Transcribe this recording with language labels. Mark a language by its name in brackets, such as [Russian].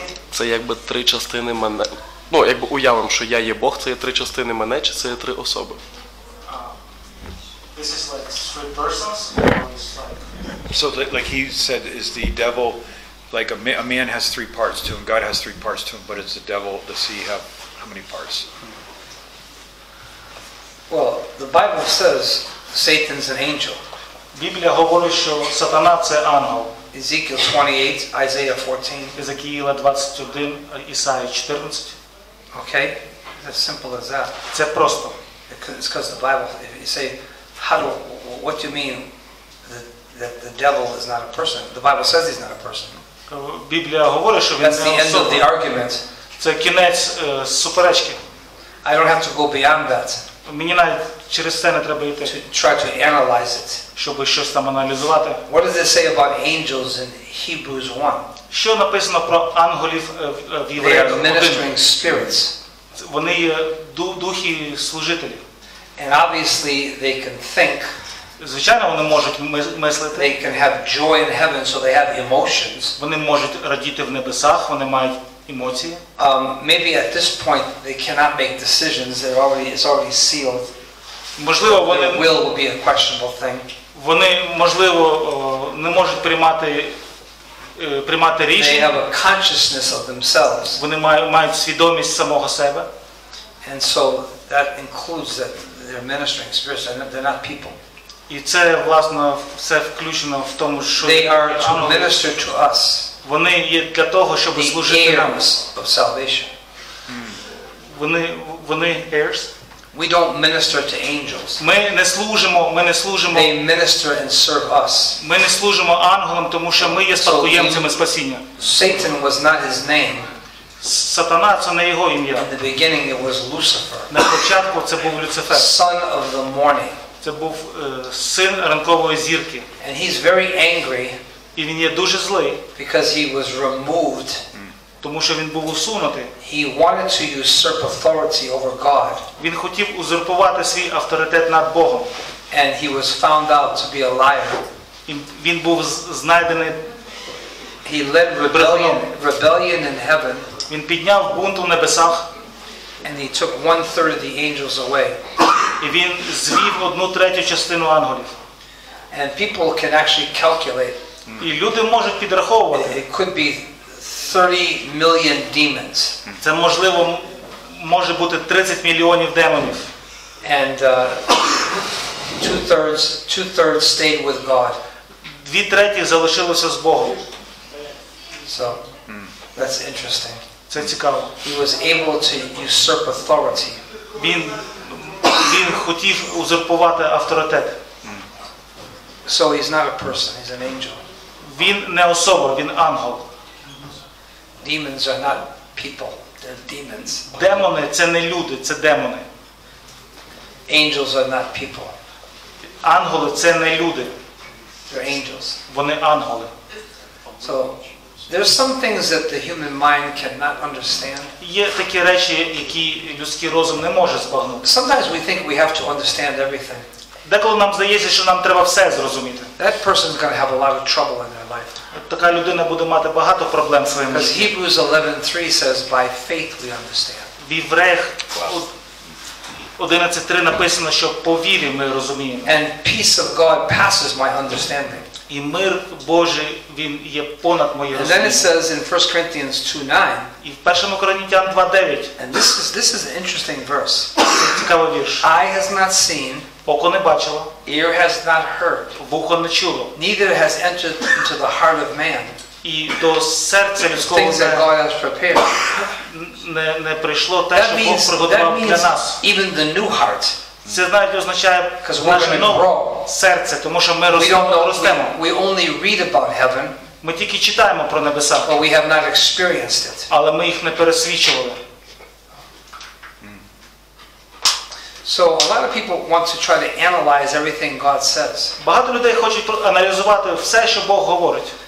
[Ukrainian] Це якби три частини мене. Ну, якби уявимо, що я є Бог, це є три частини мене, чи це є три особи? [English] This is like three persons. So like he said, is the devil like a man has three parts to him, God has three parts to him, but it's the devil, does he have how many parts? Well, the Bible says Satan's an angel. [Ukrainian] Біблія говорить, що сатана це ангел. [English] Ezekiel 28, Isaiah 14. [Ukrainian] Ізекіїла 21, Ісаїя 14. [English] Okay. It's as simple as that. [Ukrainian] Це просто. [English] It's because the Bible say what do you mean that the devil is not a person? The Bible says he's not a person. [Ukrainian] Біблія говорить, що він не особа. [English] That's the end of the argument. [Ukrainian] Це кінець суперечки. [English] I don't have to go beyond that. [Ukrainian] Мені навіть через це не треба йти. [English] To try to analyze it. [Ukrainian] Щоб щось там аналізувати. [English] What does it say about angels in Hebrews 1? [Ukrainian] Що написано про ангелів в Євреях 1? [English] They are ministering spirits. [Ukrainian] Вони є духи служителів. [English] And obviously they can think. [Ukrainian] Звичайно, вони можуть мислити. [English] They can have joy in heaven, so they have emotions. [Ukrainian] Вони можуть радіти в небесах, вони мають емоції. [English] Maybe at this point they cannot make decisions. It's already sealed. [Ukrainian] Можливо, вони [English] will be a questionable thing. [Ukrainian] Вони, можливо, не можуть приймати рішення. [English] They have a consciousness of themselves. [Ukrainian] Вони мають свідомість самого себе. [English] And so that includes that they're ministering spirits, they're not people. [Ukrainian] І це, власне, все включено в тому, що [English] they are to minister to us. [Ukrainian] Вони є для того, щоб служити нам. [English] Of salvation. [Ukrainian] Вони heirs. [English] We don't minister to angels. [Ukrainian] Ми не служимо. [English] They minister and serve us. [Ukrainian] Ми не служимо ангелам, тому що ми є спадкоємцями спасіння. [English] Satan was not his name. [Ukrainian] Сатана це не його ім'я. [English] In the beginning it was Lucifer. [Ukrainian] На початку це був Люцифер. [English] Son of the morning. [Ukrainian] Це був син ранкової зірки. [English] And he's very angry. [Ukrainian] І він є дуже злий. [English] Because he was removed. [Ukrainian] Тому що він був усунутий. [English] He wanted to usurp authority over God. [Ukrainian] Він хотів узурпувати свій авторитет над Богом. [English] And he was found out to be a liar. [Ukrainian] Він був знайдений. [English] He led rebellion in heaven. [Ukrainian] Він підняв бунт у небесах. [English] And he took one third of the angels away. [Ukrainian] І він звів одну третю частину ангелів. [English] And people can actually calculate. [Ukrainian] І люди можуть підраховувати. [English] It could be 30 million demons. [Ukrainian] Це можливо, може бути 30 мільйонів демонів. [English] And two-thirds stayed with God. [Ukrainian] Дві треті залишилися з Богом. [English] So that's interesting. [Ukrainian] Це цікаво. [English] He was able to usurp authority. [Ukrainian] Він хотів узурпувати авторитет. [English] So he's not a person, he's an angel. [Ukrainian] Він не особа, він ангел. [English] Demons are not people, they're demons. [Ukrainian] Демони це не люди, це демони. [English] Angels are not people. [Ukrainian] Ангели це не люди. [English] They're angels. [Ukrainian] Вони ангели. [English] So there's some things that the human mind cannot understand. [Ukrainian] Є такі речі, які людський розум не може збагнути. [English] Sometimes we think we have to understand everything. [Ukrainian] Деколи нам здається, що нам треба все зрозуміти. [English] That person is going to have a lot of trouble in their life. [Ukrainian] Така людина буде мати багато проблем в своєму житті. [English] Hebrews 11:3 says by faith we understand. [Ukrainian] В Євреях 11:3 написано, що по вірі ми розуміємо. [English] And peace of God passes my understanding. [Ukrainian] І мир Божий, він є понад моє розуміння. [English] And then it says in 1 Corinthians 2:9. [Ukrainian] І в Першому Коринтян 2:9. [English] And this is an interesting verse. [Ukrainian] Цікавий вірш. [English] Eye has not seen. [Ukrainian] Око не бачило. [English] Ear has not heard. [Ukrainian] Вухо не чуло. [English] Neither has entered into the heart of man. [Ukrainian] І до серця людського [English] things that God has prepared. [Ukrainian] Не прийшло те, що Бог приготував для нас. [English] Even the new heart. [Ukrainian] Це знаєте, означає наше нове серце, тому що ми ростемо. [English] We only read about heaven. [Ukrainian] Ми тільки читаємо про небеса. [English] But we have not experienced it. [Ukrainian] Але ми їх не пересвідчували. [English] So a lot of people want to try to analyze everything God says. [Ukrainian] Багато людей хочуть аналізувати все, що Бог говорить.